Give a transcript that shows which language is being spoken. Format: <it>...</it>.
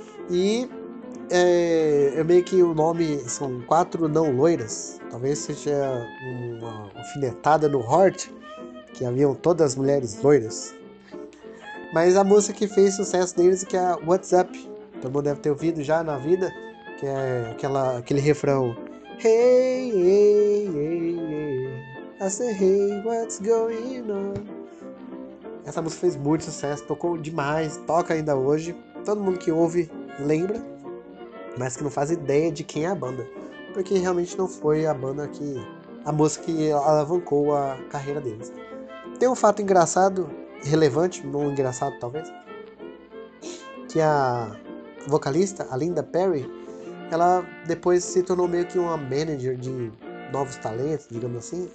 <pt>E eu meio que o nome são quatro não loiras. Talvez seja uma alfinetada no Hort, que haviam todas as mulheres loiras. Mas a música que fez sucesso deles é que é a What's Up. Todo mundo deve ter ouvido já na vida, que é aquele refrão.</pt> <en>Hey, hey, hey, hey, I say hey, what's going on?</en> <pt>Essa música fez muito sucesso, tocou demais, toca ainda hoje. Todo mundo que ouve lembra, mas que não faz ideia de quem é a banda. Porque realmente não foi a banda que... a música que alavancou a carreira deles. Tem um fato engraçado, relevante, não engraçado talvez, que a vocalista, a Linda Perry, ela depois se tornou meio que uma manager de novos talentos, digamos assim.</pt>